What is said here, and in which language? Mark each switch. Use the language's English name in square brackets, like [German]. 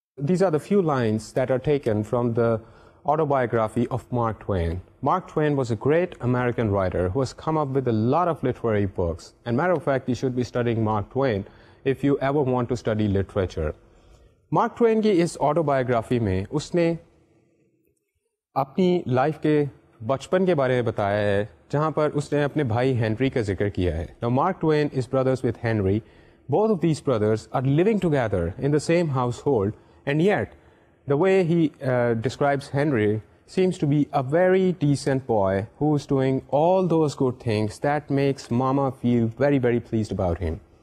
[English] These are the few lines that are taken from the autobiography of Mark Twain. Mark Twain was a great American writer who has come up with a lot of literary books, and matter of fact, you should be studying Mark Twain if you ever want to study literature. [Urdu] Mark Twain ki is autobiography mein usne apni life ke بچپن کے بارے میں بتایا ہے جہاں پر اس نے اپنے بھائی ہینری کا ذکر کیا ہے. [English] Now Mark Twain is brothers with Henry. Both of these brothers are living together in the same household, and yet the way he describes Henry seems to be a very decent boy who is doing all those good things that makes mama feel very very pleased about him.